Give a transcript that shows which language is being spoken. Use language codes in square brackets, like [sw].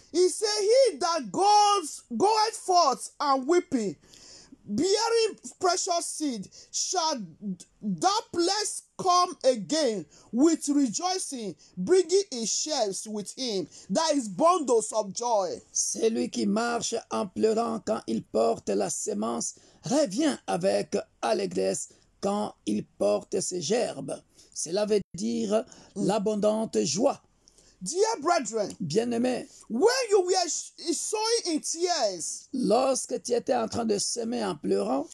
[en] He said, he that goeth forth and weeping, bearing precious seed, shall doubtless come again with rejoicing, bringing his sheaves with him, that is bundles of joy. [fr] Celui qui marche en pleurant quand il porte la semence revient avec allégresse quand il porte ses gerbes. Cela veut dire l'abondante joie. [en] Dear brethren, [fr] bien-aimés, [en] when you were sowing in tears, [fr] lorsque tu étais en train de semer en pleurant,